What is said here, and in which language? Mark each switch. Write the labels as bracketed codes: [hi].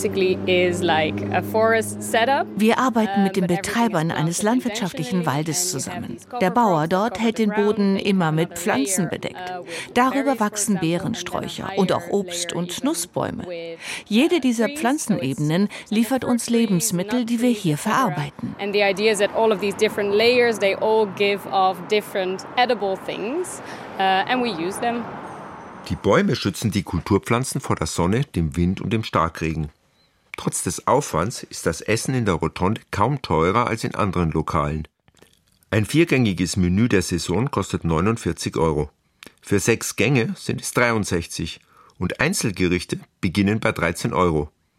[de] Wir arbeiten mit den Betreibern eines landwirtschaftlichen Waldes zusammen. Der Bauer dort hält den Boden immer mit Pflanzen bedeckt. Darüber wachsen Beerensträucher und auch Obst- und Nussbäume. Jede dieser Pflanzenebenen liefert uns Lebensmittel, die wir hier verarbeiten. [en] And the idea is that all of these different layers, they all give off different edible things, and we use them. [de] Die Bäume schützen die Kulturpflanzen vor der Sonne, dem Wind und dem Starkregen. Trotz des Aufwands ist das Essen in der Rotonde kaum teurer als in anderen Lokalen. Ein viergängiges Menü der Saison kostet 49 Euro. Für 6 Gänge sind es 63 und Einzelgerichte beginnen bei 13 Euro.